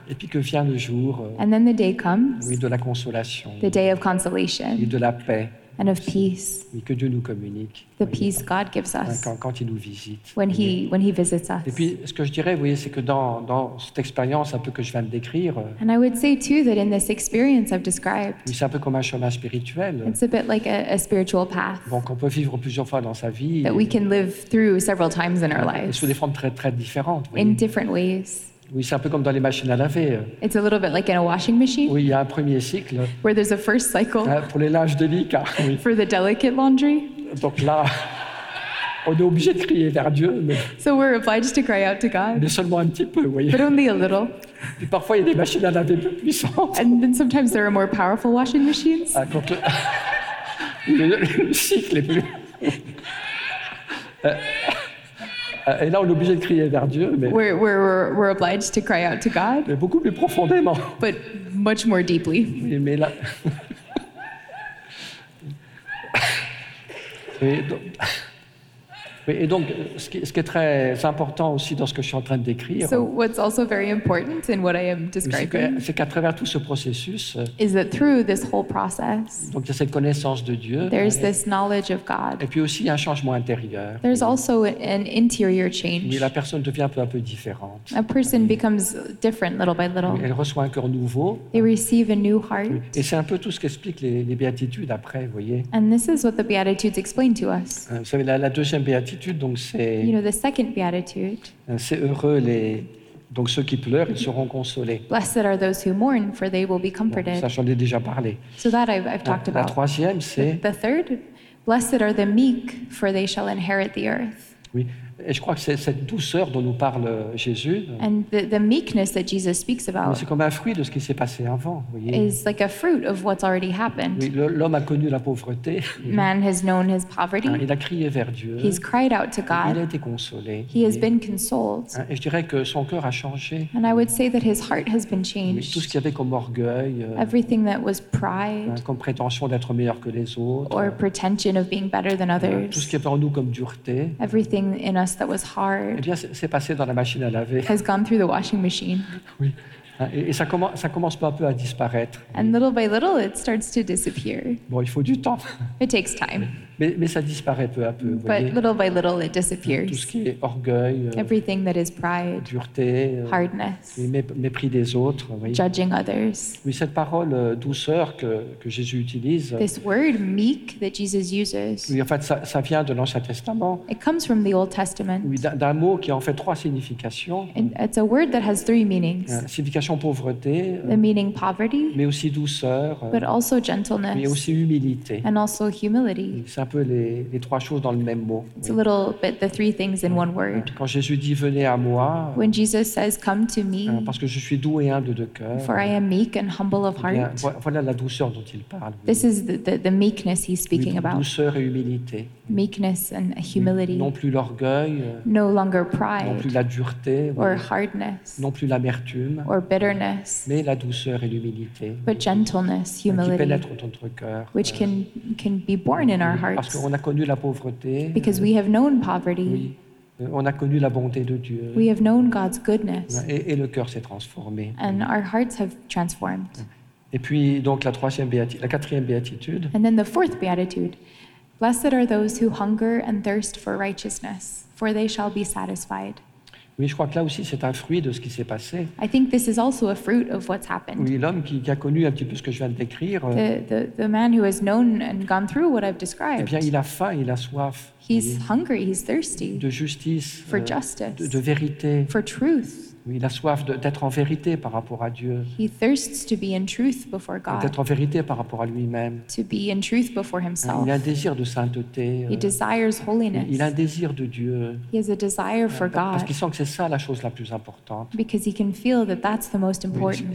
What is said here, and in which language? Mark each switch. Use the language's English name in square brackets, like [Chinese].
[French] Et puis que vient le jour. [English] And then the day comes. [French] Oui, de la consolation. [English] The day of consolation. [French] Et de la paix. [English] And of peace. [French] Oui, que Dieu nous communique. [English] The peace God gives us. [French] Quand il nous visite. [English] When he visits us. [French] Et puis ce que je dirais, vous voyez, c'est que dans cette expérience un peu que je viens de décrire. [English] And I would say too that in this experience I've described. [French] Oui, c'est un peu comme un chemin spirituel. [English] It's a bit like a spiritual path. [French] Bon, qu'on peut vivre plusieurs fois dans sa vie. [English] That we can live through several times in our lives. [French] Sous des formes très très différentes. [English] In different ways. [French] Oui, c'est un peu comme dans les machines à laver. [English] It's a little bit like in a washing machine. [French] Oui, il y a un premier cycle. [English] Where there's a first cycle. [French] Pour les linges délicats. Oui. [English] For the delicate laundry. [French] Donc là, on est obligé de crier vers Dieu. Mais [English] so we're obliged to cry out to God. [French] Mais seulement un petit peu, oui. [English] But only a little. [French] Et parfois, il y a des machines à laver plus puissantes. [English] And then sometimes there are more powerful washing machines. [French] Ah, donc le cycle est plus. Et là, on est obligé de crier vers Dieu, mais [English] we're obliged to cry out to God. [French] Mais beaucoup plus profondément. [English] But much more deeply. [French] Mais là. Et donc, ce qui est très important aussi dans ce que je suis en train de décrire. [English] So what's also very important in what I am describing. [French] C'est qu'à travers tout ce processus. [English] Is that through this whole process. [French] Donc il y a cette connaissance de Dieu. [English] There's this knowledge of God. [French] Et puis aussi il y a un changement intérieur. [English] There's also an interior change. [French] Oui, la personne devient un peu différente. [English] A person becomes different little by little. [French] Elle reçoit un cœur nouveau. [English] They receive a new heart. [French] Et c'est un peu tout ce qu'explique les béatitudes après, vous voyez. [English] And this is what the Beatitudes explain to us. [French] Vous savez, la deuxième béatitude. Donc c'est, [English] you know, the second beatitude. [French] C'est heureux donc ceux qui pleurent, ils seront consolés. [English] Blessed are those who mourn, for they will be comforted. [French] Ça, j'en ai déjà parlé. [English] So that I've talked about. [French] La troisième, c'est. [English] The third, blessed are the meek, for they shall inherit the earth. [French] Oui, et je crois que c'est cette douceur dont nous parle Jésus. [English] And the meekness that Jesus speaks about. [French] C'est comme un fruit de ce qui s'est passé avant, vous voyez. [English] Is like a fruit of what's already happened. [French] Oui, l'homme a connu la pauvreté. [English] Man has known his poverty. [French] Il a crié vers Dieu. [English] He's cried out to God. [French] Il a été consolé. [English] He has been consoled. [French] Et je dirais que son cœur a changé. [English] And I would say that his heart has been changed. [French] Tout ce qu'il y avait comme orgueil. [English] Everything that was pride. [French] Comme prétention d'être meilleur que les autres. [English] Or pretension of being better than others. [French] Tout ce qu'il y avait en nous comme dureté. [English] Everything in us that was hard. [French] Eh bien, c'est passé dans la machine à laver. [English] Has gone through the washing machine. [French] Oui. Et ça commence peu à peu à disparaître. [English] And little by little, it starts to disappear. [French] Bon, il faut du temps. [English] It takes time. [French] Mais ça disparaît peu à peu. [English] But [French] voyez. [English] Little by little, it disappears. [French] Tout ce qui est orgueil. [English] Everything that is pride. [French] Dureté. [English] Hardness. [French] Mépris des autres. Voyez. [English] Judging others. [French] Oui, cette parole douceur que Jésus utilise. [English] This word meek that Jesus uses. [French] Oui, en fait, ça vient de l'Ancien Testament. [English] It comes from the Old Testament. [French] Oui, d'un mot qui a en fait trois significations. [English] And it's a word that has three meanings. [French] Signification pauvreté. [English] The meaning poverty. [French] Mais aussi douceur. [English] But also gentleness. [French] Mais aussi humilité. [English] And also humility. [French] Oui. C'est un peu les trois choses dans le même mot. [English] It's a little bit the three things in one word. [French] Quand Jésus dit venez à moi. [English] When Jesus says come to me. [French] Parce que je suis doux et humble de cœur. [English] For I am meek and humble of heart. [French] Bien, voilà la douceur dont il parle. [English] This is the meekness he's speaking about. [French] Douceur et humilité. [English] Meekness and humility. [French] Non plus l'orgueil. [English] No longer pride. [French] Non plus la dureté. [English] Or hardness. [French] Non plus l'amertume. [English] Or bitterness. [French] Mais la douceur et l'humilité. [English] But gentleness, humility. [French] Qui pénètre dans notre cœur. [English] Which can be born in our hearts. [French] Parce qu'on a connu la pauvreté. [English] Because we have known poverty. [French] Oui. On a connu la bonté de Dieu. [English] We have known God's goodness. [French] Et le cœur s'est transformé. [English] And our hearts have transformed. [French] Et puis donc la quatrième béatitude. [English] And then the fourth beatitude. Blessed are those who hunger and thirst for righteousness, for they shall be satisfied. [French] Oui, je crois que là aussi, c'est un fruit de ce qui s'est passé. [English] I think this is also a fruit of what's happened. [French] Oui, l'homme qui a connu un petit peu ce que je viens de décrire. [English] The man who has known and gone through what I've described. [French] Eh bien, il a faim, il a soif. [English] He's hungry, he's thirsty. [French] De justice. [English] For justice. [French] De vérité. [English] For truth. [French] Il a soif d'être en vérité par rapport à Dieu. [English] He thirsts to be in truth before God. [French] D'être en vérité par rapport à lui-même. [English] To be in truth before himself. [French] Il a un désir de sainteté. [English] He desires holiness. [French] Il a un désir de Dieu. [English] He has a desire for God. [French] Parce qu'il sent que c'est ça la chose la plus importante. [English] Because he can feel that that's the most important thing.